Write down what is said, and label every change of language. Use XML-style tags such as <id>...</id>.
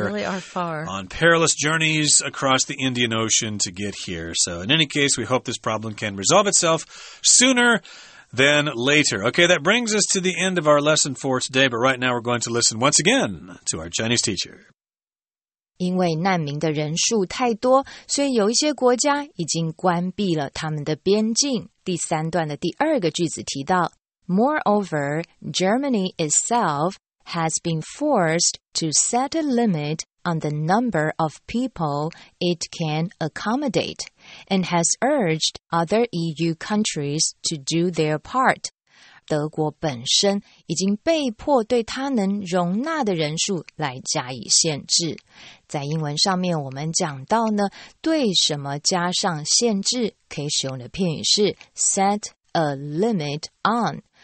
<en>Yeah, we really are far. On perilous journeys across the Indian Ocean to get here. So in any case, we hope this problem can resolve itself sooner than later. Okay, that brings us to the end of our lesson for today. But right now we're going to listen once again to our Chinese teacher.</en> <zh>因为难民的人数太多，所以有一些国家已经关闭了他们的边境。第三段的第二个句子提到</zh> <en>,Moreover, Germany itself has been forced to set a limit on the number of people it can accommodate, and has urged other EU countries to do their part.</en> <zh>德国本身已经被迫对它能容纳的人数来加以限制。在英文上面我们讲到呢，对什么加上限制可以使用的片语是</zh> <en>set a limit on。</en>